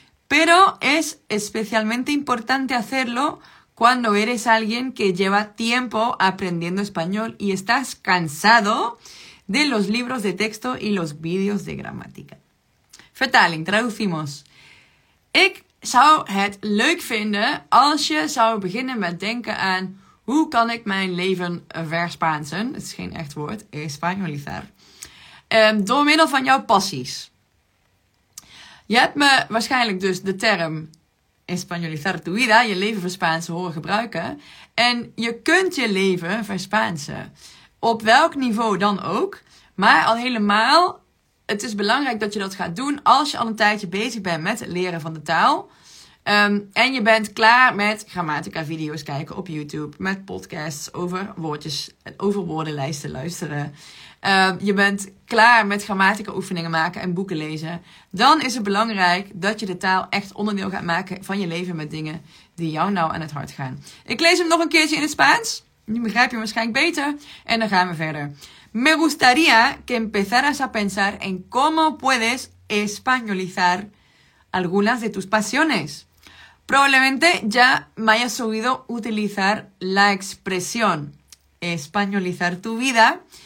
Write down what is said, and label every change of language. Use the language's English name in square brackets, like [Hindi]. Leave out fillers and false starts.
[Spanish] Pero es especialmente importante hacerlo cuando eres alguien que lleva tiempo aprendiendo español y estás cansado de los libros de texto y los vídeos de gramática. [Dutch] Vertaling, [Spanish] traducimos. [Dutch] Ik zou het leuk vinden als je zou beginnen met denken aan hoe kan ik mijn leven verspaansen, het is geen echt woord, espanolizar, door middel van jouw passies. Je hebt me waarschijnlijk dus de term [Spanish] espanolizar tu vida, [Dutch] je leven verspaansen, horen gebruiken. En je kunt je leven verspaansen. Op welk niveau dan ook. Maar al helemaal, het is belangrijk dat je dat gaat doen als je al een tijdje bezig bent met het leren van de taal. En je bent klaar met grammatica video's kijken op YouTube. Met podcasts over woordjes, over woordenlijsten luisteren. Je bent klaar met grammatica oefeningen maken en boeken lezen. Dan is het belangrijk dat je de taal echt onderdeel gaat maken van je leven met dingen die jou nou aan het hart gaan. Ik lees hem nog een keertje in het Spaans. Nu begrijp je waarschijnlijk beter. En dan gaan we verder. [Spanish] Me gustaría que empezaras a pensar en cómo puedes españolizar algunas de tus pasiones. Probablemente ya me hayas oído utilizar la expresión españolizar tu vida.